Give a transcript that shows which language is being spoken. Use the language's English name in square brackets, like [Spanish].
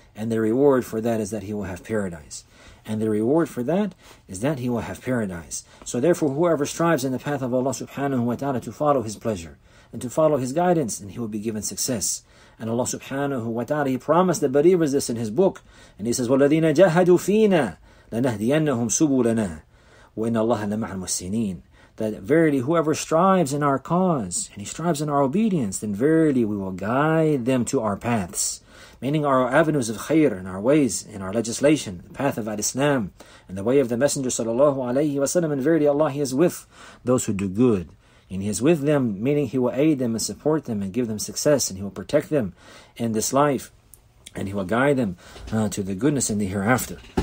[English] And the reward for that is that he will have paradise. And the reward for that is that he will have paradise. So therefore, whoever strives in the path of Allah subhanahu wa ta'ala to follow his pleasure and to follow his guidance, then he will be given success. And Allah subhanahu wa ta'ala, he promised the believers this in his book. And he says, [Arabic] وَالَّذِينَ جَهَدُوا فِينَا لَنَهْدِيَنَّهُمْ سُبُولَنَا وَإِنَّ اللَّهَ لَمَعَ الْمُحْسِنِينَ. [English] That verily, whoever strives in our cause and he strives in our obedience, then verily we will guide them to our paths. Meaning our avenues of khair and our ways and our legislation, the path of al-Islam and the way of the Messenger sallallahu alayhi wa sallam. And verily Allah, he is with those who do good. And he is with them, meaning he will aid them and support them and give them success, and he will protect them in this life, and he will guide them to the goodness in the hereafter.